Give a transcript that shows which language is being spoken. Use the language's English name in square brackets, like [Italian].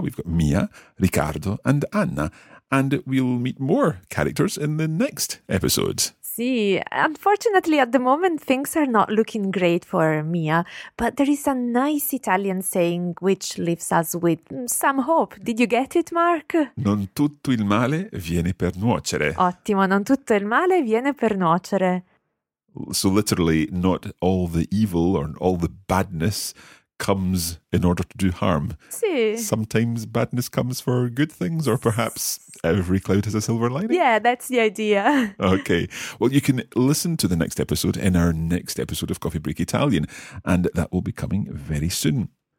[English] We've got Mia, Riccardo, and Anna. And we'll meet more characters in the next episode. Sì, unfortunately at the moment things are not looking great for Mia, but there is a nice Italian saying which leaves us with some hope. Did you get it, Mark? [Italian] Non tutto il male viene per nuocere. Ottimo, non tutto il male viene per nuocere. [English] So literally, not all the evil or all the badness comes in order to do harm. [Italian] Sì. [English] Sometimes badness comes for good things, or perhaps every cloud has a silver lining. Yeah, that's the idea. Okay. Well, you can listen to the next episode in our next episode of Coffee Break Italian, and that will be coming very soon.